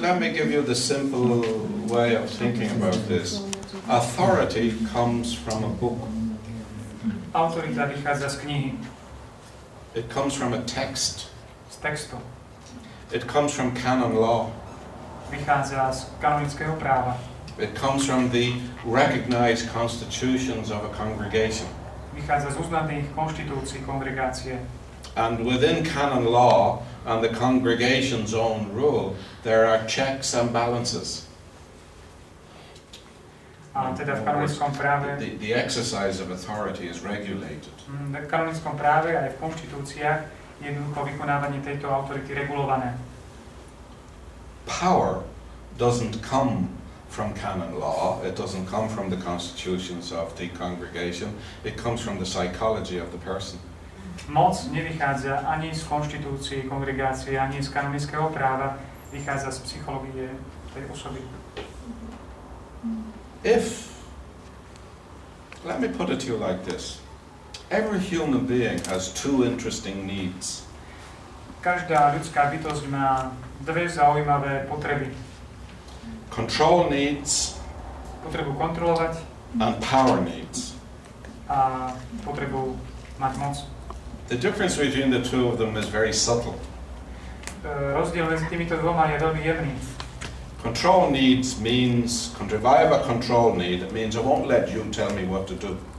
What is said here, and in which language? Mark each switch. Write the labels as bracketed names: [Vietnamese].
[English] Let me give you the simple way of thinking about this. Authority comes from a book. [Slovak] Autorita vychádza z knihy. [English] It comes from a text. [Slovak] Z textu. [English] It comes from canon law. [Slovak] Vychádza z kanonického práva. [English] It comes from the recognized constitutions of a congregation. [Slovak] Vychádza z uznaných konštitúcií kongregácie. [English] And within canon law and the congregation's own rule, there are checks and balances. [Slovak] A teda v kanonickom práve [English] the exercise of authority is regulated. [Slovak] V kanonickom práve aj v konštitúciách je jednoducho vykonávanie tejto autority regulované. [English] Power doesn't come from canon law, it doesn't come from the constitutions of the congregation, it comes from the psychology of the person. [Slovak] Moc nevychádza ani z konštitúcie kongregácie, ani z kanonického práva, vychádza z psychológie tej osoby. [English] If, let me put it to you like this, every human being has two interesting needs. [Slovak] Každá ľudská bytosť má dve zaujímavé potreby. [English] Control needs. [Slovak] Potrebu kontrolovať. [English] And power needs. [Slovak] A potrebu mať moc. [English] The difference between the two of them is very subtle. [Slovak] Rozdiel medzi týmito dvoma je veľmi jemný. [English] Control needs means, if I have a control need, it means I won't let you tell me what to do.